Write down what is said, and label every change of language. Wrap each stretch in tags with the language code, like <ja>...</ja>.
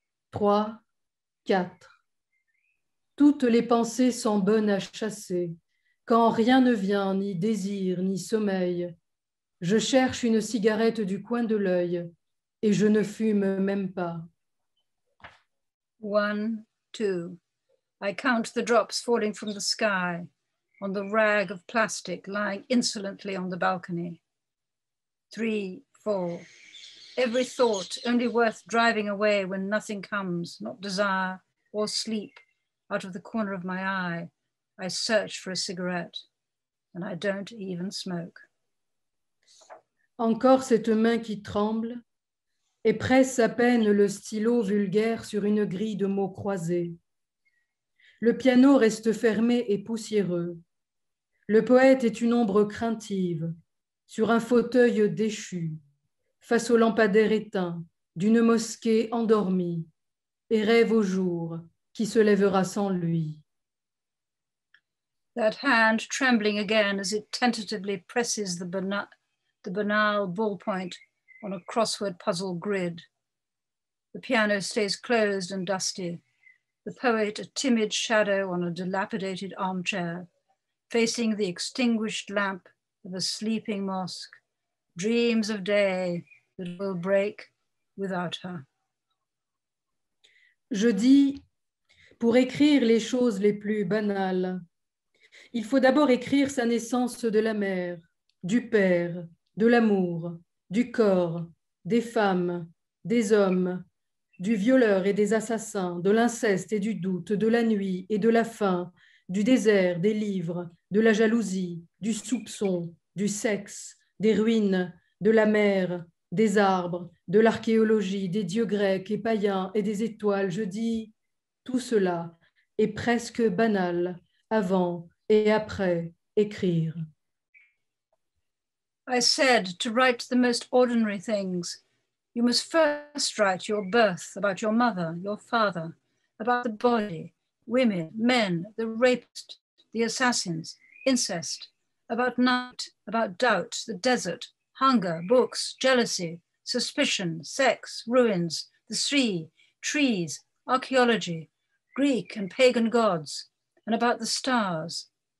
<fr>Trois, quatre. Toutes les pensées sont bonnes à chasser. Quand rien ne vient, ni désir, ni sommeil, je cherche une cigarette du coin de l'œil et je ne fume même pas.</fr> <en>One, two. I count the drops falling from the sky on the rag of plastic lying insolently on the balcony. Three, four. Every thought only worth driving away when nothing comes, not desire or sleep, out of the corner of my eye, I search for a cigarette and I don't even smoke.</en> <fr>Encore cette main qui tremble et presse à peine le stylo vulgaire sur une grille de mots croisés. Le piano reste fermé et poussiéreux. Le poète est une ombre craintive, sur un fauteuil déchu, face au lampadaire éteint d'une mosquée endormie, et rêve au jour qui se lèvera sans lui.</fr> <en>That hand trembling again as it tentatively presses the banal ballpoint on a crossword puzzle grid. The piano stays closed and dusty. The poet, a timid shadow on a dilapidated armchair, facing the extinguished lamp of a sleeping mosque, dreams of day that will break without her.</en> <fr>Je dis, pour écrire les choses les plus banales, il faut d'abord écrire sa naissance de la mère, du père, de l'amour, du corps, des femmes, des hommes, du violeur et des assassins, de l'inceste et du doute, de la nuit et de la faim, du désert, des livres, de la jalousie, du soupçon, du sexe, des ruines, de la mer, des arbres, de l'archéologie, des dieux grecs et païens et des étoiles. Je dis, tout cela est presque banal avant et après écrire.</fr> <en>I said, to write the most ordinary things, you must first write your birth, about your mother, your father, about the body, women, men, the rapist, the assassins, incest, about night, about doubt, the desert, hunger, books, jealousy, suspicion, sex, ruins, the sea, trees, archaeology, Greek and pagan gods, and about the stars.</en>